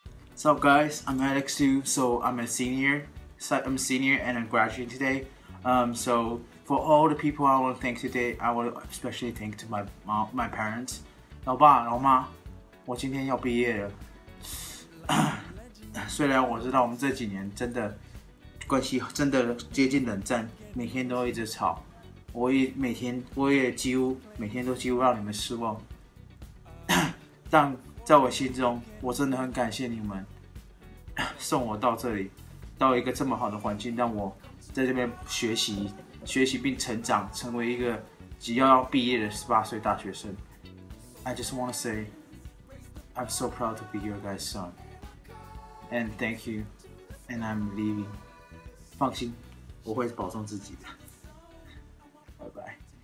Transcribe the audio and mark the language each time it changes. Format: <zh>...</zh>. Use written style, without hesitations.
<en>What's up guys, I'm Alex Liu, so I'm a senior and I'm graduating today. So for all the people I want to thank today, I want to especially thank to my parents.</en> <zh>老爸老妈，我今天要毕业了。虽然我知道我们这几年真的关系真的接近冷战，每天都一直吵，我也几乎让你们失望。但在我心中，我真的很感谢你们送我到这里，到一个这么好的环境，让我在这边学习并成长，成为一个即将要毕业的18岁大学生。</zh> <en>I just want to say, I'm so proud to be your guys' son, and thank you, and I'm leaving.</en> <zh>放心，我会保重自己的。拜拜。</zh>